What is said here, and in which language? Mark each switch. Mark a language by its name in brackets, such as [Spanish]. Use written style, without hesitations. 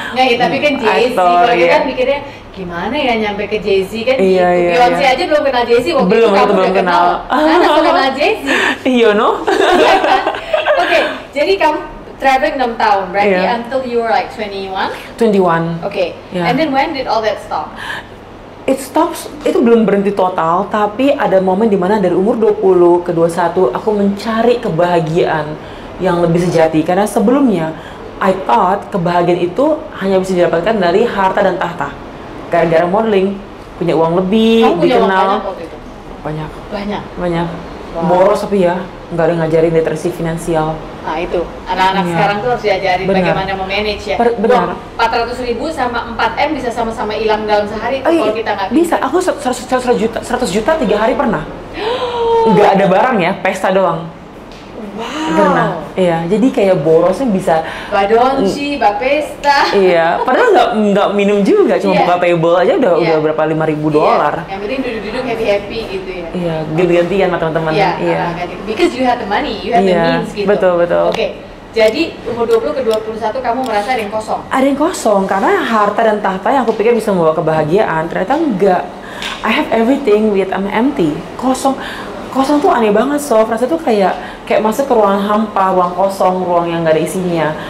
[Indonesian] Nggak, ya, tapi kan Jay-Z, kalau kita mikirnya gimana ya nyampe ke Jay-Z kan? Iya, di Beyonce aja belum kenal Jay-Z, waktu belum, itu kamu belum udah kenal. Kenal. Nah, kenal Jay-Z. [English] You know? [Indonesian] Oke, jadi kamu traveling 6 tahun, [English] right? Yeah. Until you were like 21? 21. Okay, yeah. And then when did all that stop? it stops, [Indonesian] itu belum berhenti total, tapi ada momen di mana dari umur 20 ke 21 aku mencari kebahagiaan yang lebih sejati. Karena sebelumnya [English] I thought [Indonesian] kebahagiaan itu hanya bisa didapatkan dari harta dan tahta. Gara-gara modeling, punya uang lebih, kamu dikenal. Punya uang banyak waktu itu? Banyak. Banyak? Banyak. Wow. Boros tapi ya, nggak ada ngajarin literasi finansial. Nah itu, anak-anak ya. Sekarang tuh harus diajarin benar. Bagaimana memanage ya. Benar. 400 ribu sama 4M bisa sama-sama hilang dalam sehari kalau kita nggak pikir. Bisa, aku 100 juta 3 hari pernah. Nggak ada barang ya, pesta doang. Wow. Pernah, iya. Jadi kayak borosnya bisa Badonci, bapesta. Iya, padahal nggak minum juga, cuma buka table aja udah udah berapa $5,000. Yang penting duduk-duduk happy-happy gitu ya. Iya, gantian sama teman-teman. [English] Iya, because you have the money, you have the means gitu. [Indonesian] Betul-betul. Oke, jadi umur 20 ke 21 kamu merasa ada yang kosong? Ada yang kosong, karena harta dan tahta yang aku pikir bisa membawa kebahagiaan, ternyata enggak. [English] I have everything, yet I'm empty. [Indonesian] Kosong. Kosong tuh aneh banget, [English] Sof. [Indonesian] Rasanya tuh kayak masuk ke ruang hampa, ruang kosong, ruang yang gak ada isinya.